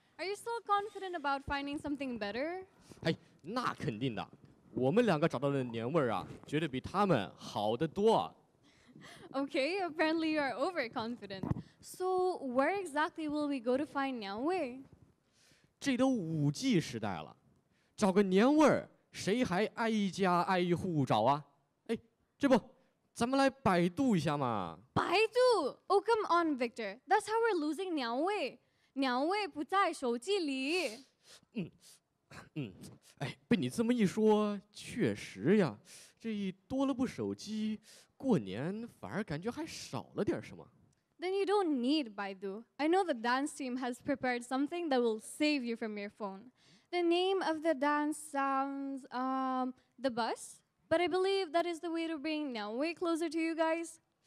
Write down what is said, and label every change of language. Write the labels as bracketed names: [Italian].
[English] Are you still confident about finding something better? [Chinese] 哎，那肯定的。我们两个找到的年味啊，绝对比他们好得多。 [English] Okay, apparently you are overconfident. So where exactly will we go to find 年味？ [Chinese] 这都5G 时代了，找个年味谁还挨一家挨一户找啊？哎，这不，咱们来百度一下嘛。 [English] 百度 ？Oh come on, Victor. That's how we're losing 年味。 [Chinese] 年味不在手机里。哎，被你这么一说，确实呀，这一多了部手机，过年反而感觉还少了点什么。 [English] Then you don't need Baidu. I know the dance team has prepared something that will save you from your phone. The name of the dance sounds, the bus. But I believe that is the way to bring Nianwei closer to you guys.